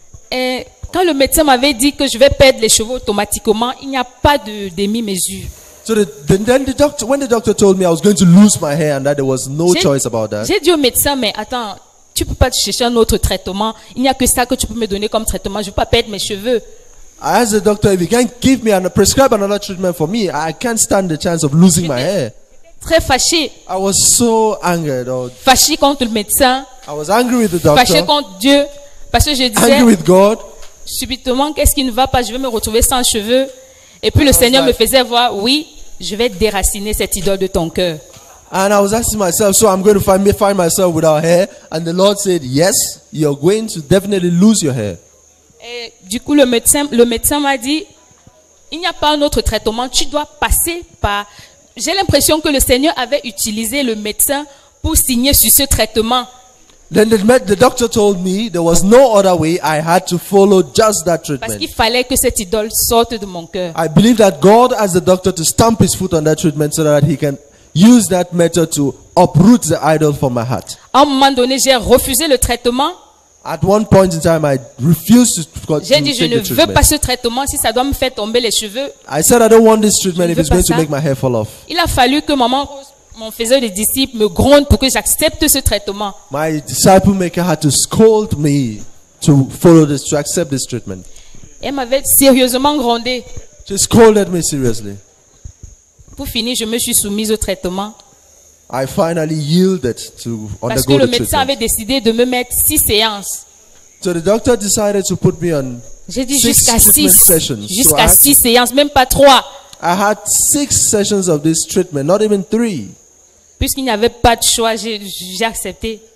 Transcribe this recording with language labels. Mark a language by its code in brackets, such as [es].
[fr] Et quand le médecin m'avait dit que je vais perdre les cheveux automatiquement, il n'y a pas de demi-mesure. [en] So the doctor told me I was going to lose my hair and that there was no choice about that. [fr] J'ai dit au médecin, mais attends, tu peux pas chercher un autre traitement. Il n'y a que ça que tu peux me donner comme traitement. Je veux pas perdre mes cheveux. [en] I asked the doctor if he can give me and prescribe another treatment for me. I can't stand the chance of losing my hair. [fr] Très fâché. [en] I was so angered. [fr] Fâché contre le médecin. [en] I was angry with the doctor. [fr] Fâché contre Dieu parce que je disais. [en] Angry with God. [fr] Subitement, qu'est-ce qui ne va pas? Je vais me retrouver sans cheveux. Et puis le Seigneur me faisait voir, oui, je vais déraciner cette idole de ton cœur. [en] And I was asking myself, so I'm going to find myself without hair. And the Lord said, yes, you're going to definitely lose your hair. [fr] Et du coup, le médecin m'a dit, il n'y a pas un autre traitement, tu dois passer par... J'ai l'impression que le Seigneur avait utilisé le médecin pour signer sur ce traitement. [en] Then the doctor told me there was no other way. I had to follow just that treatment. [fr] Parce qu'il fallait que cette idole sorte de mon cœur. [en] I believe that God asked the doctor to stamp his foot on that treatment so that he can use that method to uproot the idol from my heart. [fr] À un moment donné, j'ai refusé le traitement. [en] At one point in time, I refused to take the [fr] treatment. J'ai dit, je ne veux pas ce traitement si ça doit me faire tomber les cheveux. [en] I said, I don't want this treatment if it's going to make my hair fall off. [fr] Il a fallu que maman mon faiseur de disciples me gronde pour que j'accepte ce traitement. [en] My disciple maker had to scold me to follow this, to accept this treatment. [fr] Elle m'avait sérieusement grondé. [en] She scolded me seriously. [fr] Pour finir, je me suis soumise au traitement. [en] I finally yielded to undergo the treatment. [fr] Parce que le médecin avait décidé de me mettre 6 séances. [en] So the doctor decided to put me on 6 treatment sessions. [fr] Jusqu'à 6 séances, même pas 3. [en] I had 6 sessions of this treatment, not even 3. [fr] Puisqu'il n'y avait pas de choix, j'ai accepté.